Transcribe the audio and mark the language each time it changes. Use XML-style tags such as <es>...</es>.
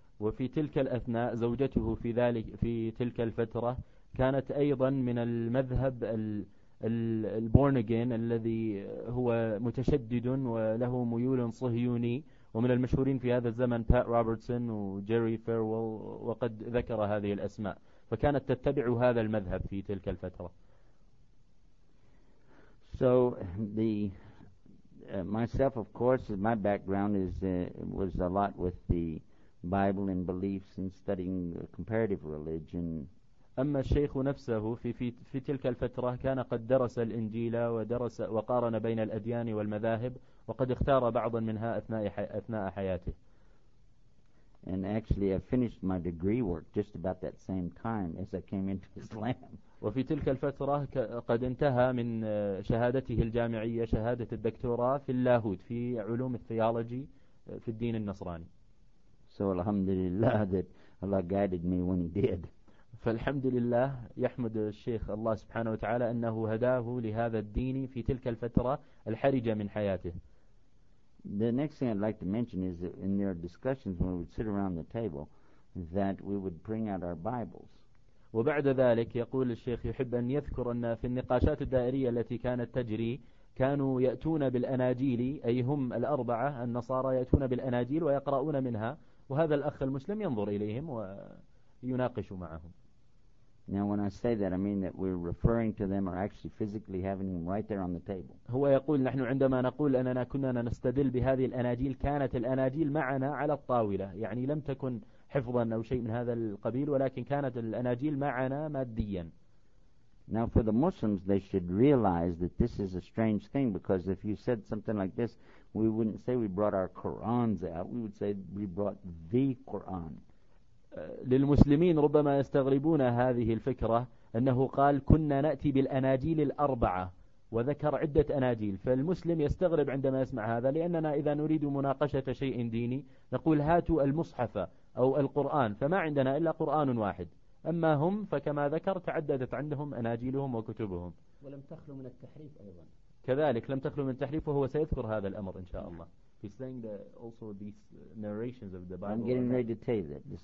<ar>وفي تلك الأثناء زوجته في ذلك في تلك الفترة كانت أيضا من المذهب ال born again الذي هو متشدد وله ميول صهيوني ومن المشهورين في هذا الزمن بات روبرتسون وجيري فيرويل، وقد ذكر هذه الأسماء، فكانت تتبع هذا المذهب في تلك الفترة.</ar> <en>So the myself, of course, my background is was a lot with the Bible and beliefs and studying comparative religion.</en> <ar>أما الشيخ نفسه في تلك الفترة كان قد درس الإنجيل ودرس وقارن بين الأديان والمذاهب، وقد اختار بعضا منها أثناء حياته.</ar> <en>And actually, I finished my degree work just about that same time as I came into Islam.</en> <ar>وفي تلك الفترة قد انتهى من شهادته الجامعية، شهادة الدكتوراه في اللاهوت في علوم الثيولوجي في الدين النصراني.</ar> <en>So الحمد لله that Allah guided me when He did.</en> <ar>فالحمد لله يحمد الشيخ الله سبحانه وتعالى أنه هداه لهذا الدين في تلك الفترة الحرجة من حياته.</ar> <en>The next thing I'd like to mention is that in their discussions when we would sit around the table that we would bring out our Bibles.</en> <ar>وبعد ذلك يقول الشيخ يحب أن يذكر أن في النقاشات الدائرية التي كانت تجري كانوا يأتون بالأناجيل، أي هم الأربعة النصارى يأتون بالأناجيل ويقرؤون منها، وهذا الأخ المسلم ينظر إليهم و يناقش معهم.</ar> <en>Now when I say that I mean that we're referring to them or actually physically having them right there on the table.</en> <ar>هو يقول نحن عندما نقول أننا كنا نستدل بهذه الأناجيل كانت الأناجيل معنا على الطاولة، يعني لم تكن حفظا أو شيء من هذا القبيل، ولكن كانت الأناجيل معنا ماديا.</ar> <en>Now for the Muslims they should realize that this is a strange thing because if you said something like this we wouldn't say we brought our Qurans out, we would say we brought the Quran.</en> <ar>للمسلمين ربما يستغربون هذه الفكرة أنه قال كنا نأتي بالأناجيل الأربعة وذكر عدة أناجيل، فالمسلم يستغرب عندما يسمع هذا، لأننا إذا نريد مناقشة شيء ديني نقول هاتوا المصحف أو القرآن، فما عندنا إلا قرآن واحد، أما هم فكما ذكر تعددت عندهم أناجيلهم وكتبهم ولم تخلوا من التحريف أيضا. كذلك لم تخلوا من التحريف، وهو سيذكر هذا الأمر إن شاء الله.</ar> <en>He's saying that also these narrations of the Bible. I'm getting ready to tell you that.</en>